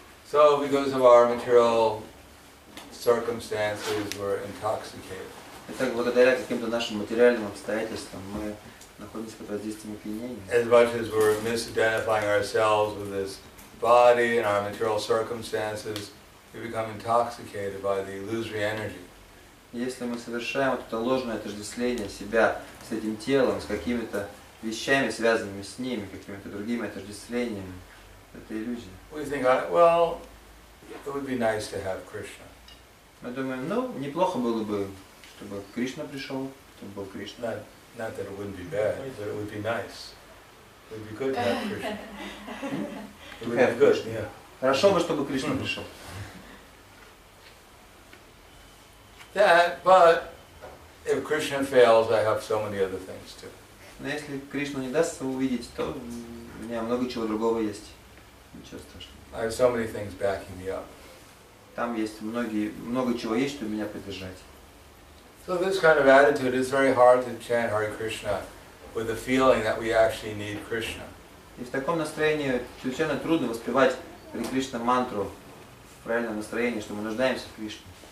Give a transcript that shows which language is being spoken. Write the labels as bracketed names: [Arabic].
[English] So because of our material circumstances, we're intoxicated. [Russian] Итак, благодаря каким-то нашим материальным обстоятельствам мы находимся под воздействием опьянения. [English] As much as we're misidentifying ourselves with this body and our material circumstances, we become intoxicated by the illusory energy. [Russian] Если мы совершаем вот это ложное отождествление себя с этим телом, с какими-то вещами, связанными с ними, какими-то другими отождествлениями. Это иллюзия. [English] We think, well, it would be nice to have Krishna. [Russian] Мы думаем, ну, неплохо было бы, чтобы Кришна пришел, чтобы был Кришна. [English] Not that it wouldn't be bad, but it would be nice. It would be good to have Krishna. It would be good, yeah. [Russian] Хорошо бы, чтобы Кришна пришел. [English] That, but if Krishna fails, I have so many other things too. [Russian] Но если Кришну не дастся увидеть, то у меня много чего другого есть. Ничего страшного. [English] I have so many things backing me up. [Russian] Там есть много чего есть, чтобы меня поддержать. [English] So this kind of attitude is very hard to chant Hare Krishna with the feeling that we actually need Krishna. [Russian] И в таком настроении совершенно трудно воспевать Hare Krishna мантру в правильном настроении, что мы нуждаемся в Кришне.